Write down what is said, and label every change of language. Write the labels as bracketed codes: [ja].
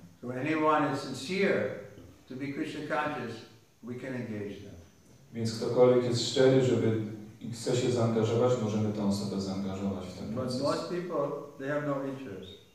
[en] So when anyone is sincere to be Krishna conscious, we can engage them. [pl] Więc ktokolwiek jest szczery, żeby i chce się zaangażować, możemy tę osobę zaangażować w ten proces. [en] But most people, they have no interest.